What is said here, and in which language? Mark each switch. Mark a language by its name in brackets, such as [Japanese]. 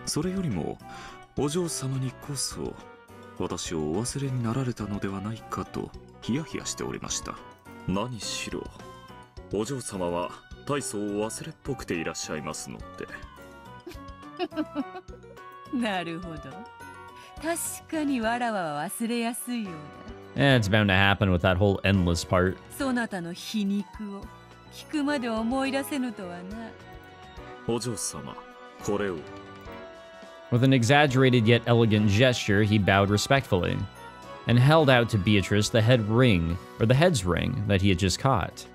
[Japanese] それよりも、お嬢様にこそ、私をお忘れになられたのではないかと、ヒヤヒヤしておりました。何しろ、お嬢様は大層を忘れっぽくていらっしゃいますので。なるほど。確かにわらわは忘れやすいようだ。 [English] It's bound to happen with that whole endless part. [Japanese] そなたの皮肉を聞くまで思い出せぬとはな。お嬢様、これを。 [English] With an exaggerated yet elegant gesture, he bowed respectfully and held out to Beatrice the head ring, or the head's ring, that he had just caught.